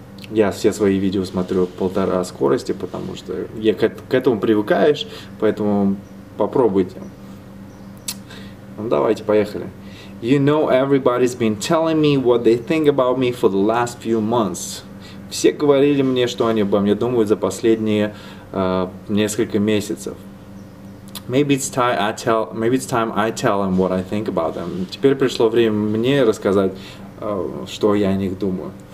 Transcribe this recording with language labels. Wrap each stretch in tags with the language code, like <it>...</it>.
<ru>Я все свои видео смотрю полтора скорости, потому что я к этому привыкаешь, поэтому попробуйте. Ну, давайте, поехали.</ru> <en>You know everybody's been telling me what they think about me for the last few months.</en> <ru>Все говорили мне, что они обо мне думают за последние несколько месяцев.</ru> <en>Maybe it's time I tell them what I think about them.</en> <ru>Теперь пришло время мне рассказать, что я о них думаю.</ru>